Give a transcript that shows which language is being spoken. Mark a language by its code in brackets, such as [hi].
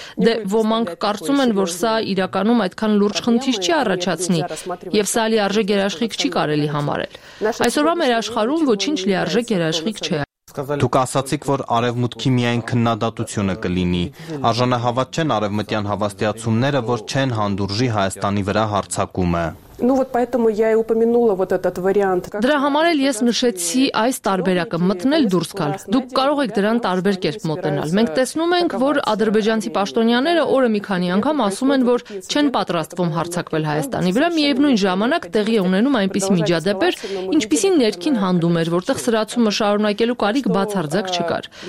[hy] Դե ոմանք կարծում են, որ սա իրականում այդքան լուրջ խնդիր չի առաջացնի եւ սա լիարժե գերաշխիք չի կարելի համարել։ Այսօրվա մեր աշխարհում ոչինչ լիարժե գերաշխիք չէ։ Դուք ասացիք, որ արևմուտքի միայն քննադատությունը կլինի։ Արժանահավատ չեն արևմտյան հավաստիացումները, որ չեն հանդուրժի Հայաստանի վրա հարձակումը։ [ru] Ну вот поэтому я и упомянула вот этот вариант. [hy] Դրա համար էլ ես նշեցի այս տարբերակը՝ մտնել դուրս գալ։ Դուք կարող եք դրան տարբեր կերպ մոտենալ։ Մենք տեսնում ենք, որ ադրբեջանցի պաշտոնյաները օրը մի քանի անգամ ասում են, որ չեն պատրաստվում հարձակվել Հայաստանի վրա, միևնույն ժամանակ տեղի է ունենում այնպիսի միջադեպեր, ինչպիսին ներքին հանդում էր, որտեղ սրացումը շարունակելու կարիք բացարձակ չկար։